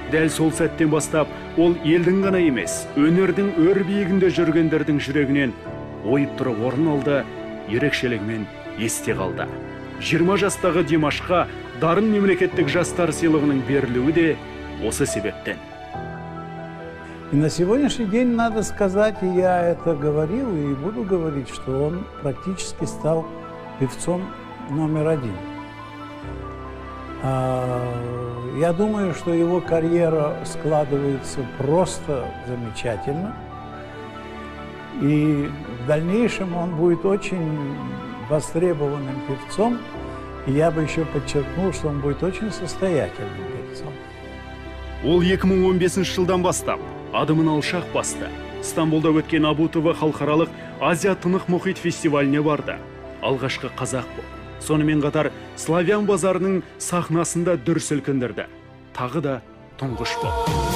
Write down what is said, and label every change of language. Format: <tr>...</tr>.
<kk>Дәл сол сәттен бастап, ол елдің ғана емес, өнердің өр биігінде жүргендердің жүрегінен ойып тұрып орын алды, ерекшелігімен есте қалды. 20 жастағы Димашқа Дарын мемлекеттік жастар сыйлығының берілуі де осы себептен.</kk> <ru>И на сегодняшний день надо сказать, и я это говорил и буду говорить, что он практически стал певцом номер один. Я думаю, что его карьера складывается просто замечательно. И в дальнейшем он будет очень востребованным певцом. И я бы еще подчеркнул, что он будет очень состоятельным певцом.</ru> <kk>Ол 2015 жылдан бастап адымын алшақ басты. Стамбулда өткен Абутова халықаралық Азия Тынық Мұхит фестиваліне барды. Алғашқы қазақ болды. Сонымен қатар Славян базарының сахнасында дүр сілкіндірді. Тағы да тұңғыш болды.</kk>